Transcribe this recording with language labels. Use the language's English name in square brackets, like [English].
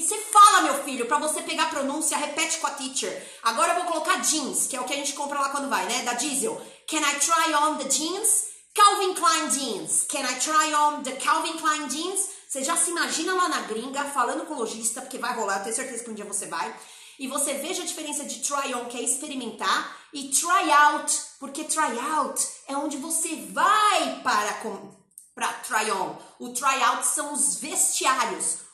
[Portuguese] Você fala, meu filho, pra você pegar a pronúncia, repete com a teacher. Agora eu vou colocar jeans, que é o que a gente compra lá quando vai, né? Da Diesel. [English] Can I try on the jeans? Calvin Klein jeans. Can I try on the Calvin Klein jeans? [Portuguese] Você já se imagina lá na gringa, falando com o lojista, porque vai rolar, eu tenho certeza que um dia você vai. E você veja a diferença de try on, que é experimentar, e try out, porque try out é onde você vai para... Para try on. O try out são os vestiários.